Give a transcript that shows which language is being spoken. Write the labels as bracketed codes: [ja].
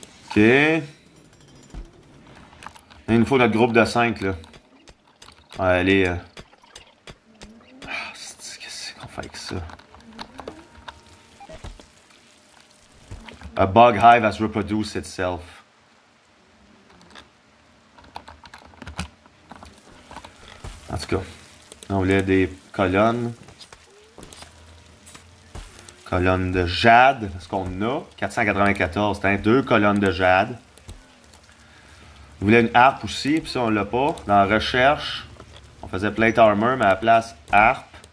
[fr] Ok. Et il nous faut notre groupe de 5, là. Ouais, allez. Qu'est-ce qu'on fait avec ça? [en] A bug hive has reproduced itself. [fr] En tout cas, on voulait des colonnes. Colonnes de jade, ce qu'on a. 494, c'est deux colonnes de jade. On voulait une harpe aussi, puis ça on l'a pas. Dans la recherche, on faisait plate armor, mais à la place harpe.